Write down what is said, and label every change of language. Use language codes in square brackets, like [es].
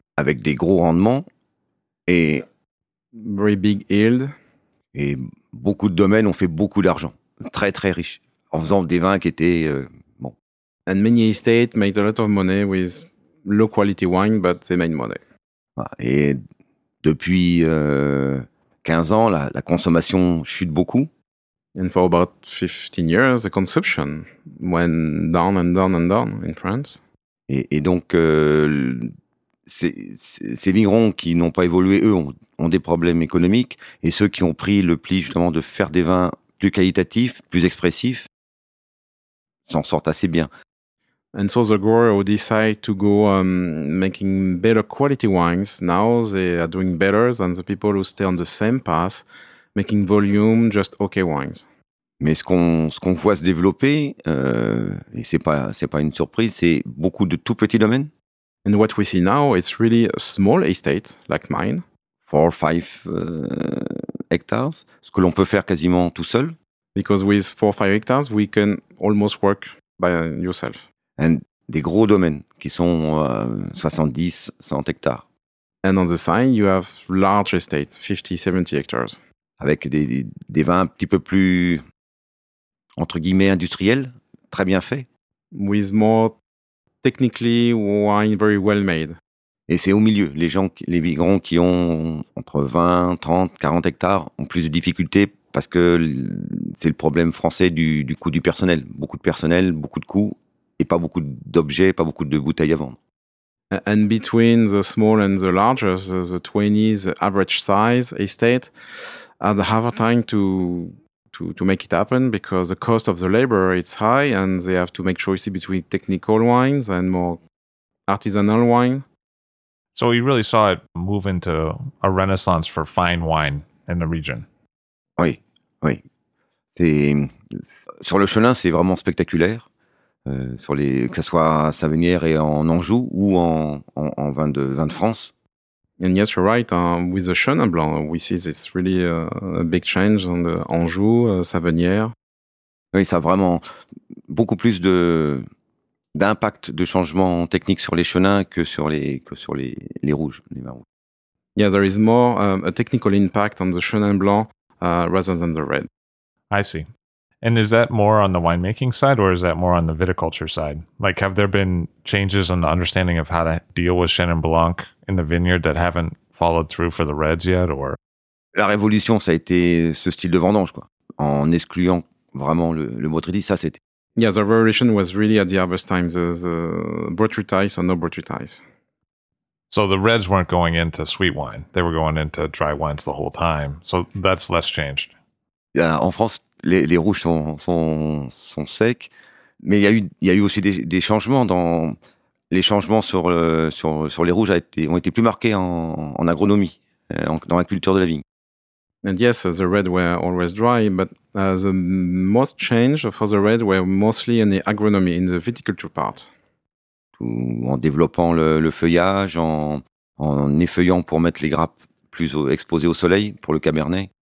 [fr] Avec des gros rendements et... [en] Very big yield. [fr] Et beaucoup de domaines ont fait beaucoup d'argent, très très riches, en faisant des vins qui étaient... [en] And many estates made a lot of money with low quality wine, but they made money. [fr] Et depuis 15 ans, la consommation chute beaucoup. [en] And for about 15 years, the consumption went down and down and down in France. [fr] Et donc, ces vignerons qui n'ont pas évolué, eux, ont des problèmes économiques. Et ceux qui ont pris le pli, justement, de faire des vins plus qualitatifs, plus expressifs, s'en sortent assez bien. [en] And so the growers who decide to go making better quality wines, now they are doing better than the people who stay on the same path, making volume, just okay wines. [fr] Mais ce qu'on voit se développer, et c'est pas une surprise, c'est beaucoup de tout petits domaines. [en] And what we see now, it's really a small estate, like mine. 4 or 5 [fr] hectares, ce que l'on peut faire quasiment tout seul. [en] Because with 4 or 5 hectares, we can almost work by yourself. And [fr] des gros domaines qui sont 70, 100 hectares. [en] And on the side, you have large estates, 50, 70 hectares. [fr] Avec des vins un petit peu plus, entre guillemets, industriels, très bien faits. [en] With more technically wine very well made. [fr] Et c'est au milieu. Les vignerons qui ont entre 20, 30, 40 hectares ont plus de difficultés parce que c'est le problème français du coût du personnel. Beaucoup de personnel, beaucoup de coûts. Et pas beaucoup d'objets, pas beaucoup de bouteilles à vendre. [en] And between the small and the larger, the 20s, the average size estate, had a harder time to make it happen because the cost of the labor is high and they have to make choices between technical wines and more artisanal wine. So you really saw it move into a renaissance for fine wine in the region. [fr] Oui, oui. Sur le Chenin, c'est vraiment spectaculaire. Que ce soit à Savenières et en Anjou ou en vin de France. [en] And yes, you're right. With the Chenin Blanc, we see it's really a big change on the Anjou, Savenières. [fr] Oui, ça a vraiment beaucoup plus d'impact de changement technique sur les Chenins que sur les rouges, les vins rouges. [en] Yeah, there is more a technical impact on the Chenin Blanc rather than the red. I see. And is that more on the winemaking side or is that more on the viticulture side? Like, have there been changes in the understanding of how to deal with Chenin Blanc in the vineyard that haven't followed through for the reds yet? Or [fr] la révolution, ça a été ce style de vendange, quoi, en excluant vraiment le botrytis. Ça, c'était. [en] Yeah, the revolution was really at the harvest times, the botrytis or no botrytis. So the reds weren't going into sweet wine; they were going into dry wines the whole time. So that's less changed. [fr] Yeah, en France. Les rouges sont secs, mais il y a eu aussi des changements. Les changements sur les rouges ont été plus marqués en agronomie, dans la culture de la vigne. [en] And yes, the red were always dry, but the most change for the red were mostly in the agronomy, in the viticulture part. [fr] En développant le feuillage, en effeuillant pour mettre les grappes plus exposé au soleil pour le Cabernet?